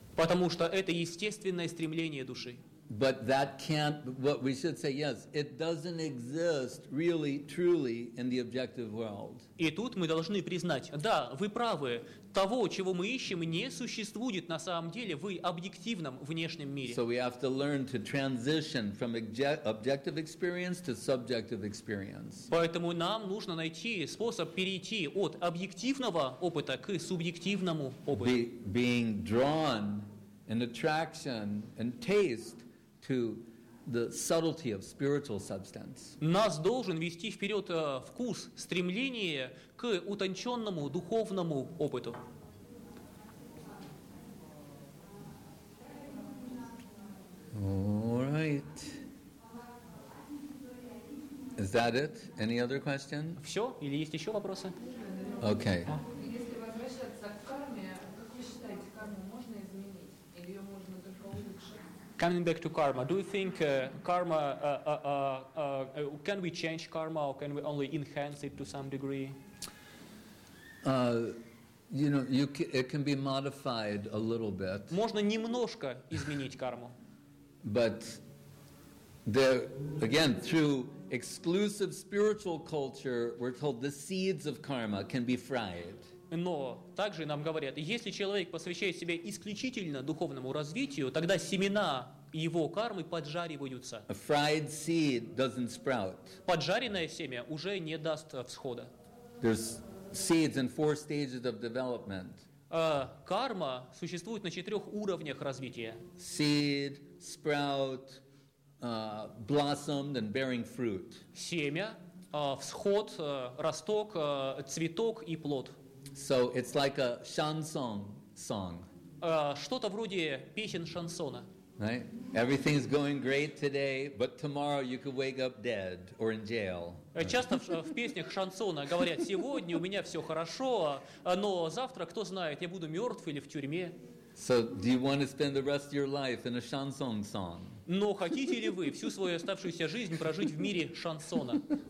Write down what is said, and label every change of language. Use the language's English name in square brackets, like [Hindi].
[Russian] Потому что это естественное стремление души. [English] But that can't, what we should say, yes, it doesn't exist really, truly in the objective world. [Russian] И тут мы должны признать, да, вы правы, того, чего мы ищем, не существует на самом деле в объективном внешнем мире. [English] So we have to learn to transition from objective experience to subjective experience. [Russian] Поэтому нам нужно найти способ перейти от объективного опыта к субъективному опыту. [English] Being drawn in attraction and taste to the subtlety of spiritual substance. [Russian] Нас должен вести вперед вкус, стремление к утонченному духовному опыту. [English] All right. Is that it? Any other question? [Russian] Все? Или есть еще вопросы? [English] Okay. Coming back to karma, do you think karma, can we change karma or can we only enhance it to some degree? It can be modified a little bit. [Russian] Можно немножко изменить карму. [English] But there, again, through exclusive spiritual culture, we're told the seeds of karma can be fried. [Russian] Но также нам говорят, если человек посвящает себя исключительно духовному развитию, тогда семена его кармы поджариваются. [English] A fried seed doesn't sprout. [Russian] Поджаренное семя уже не даст всхода. [English] There's seeds in four stages of development. [Russian] Карма существует на четырех уровнях развития. [English] Seed, sprout, blossomed and bearing fruit. [Russian] Семя, всход, росток, цветок и плод. [English] So it's like a chanson song. [Russian] Что-то вроде песен шансона. [English] Right? Everything's going great today, but tomorrow you could wake up dead or in jail. [Russian] Часто в песнях шансона говорят: сегодня у меня все хорошо, но завтра, кто знает, я буду мертв или в тюрьме. [English] So do you want to spend the rest of your life in a chanson song? [Russian] Но хотите ли вы всю свою оставшуюся жизнь прожить в мире шансона?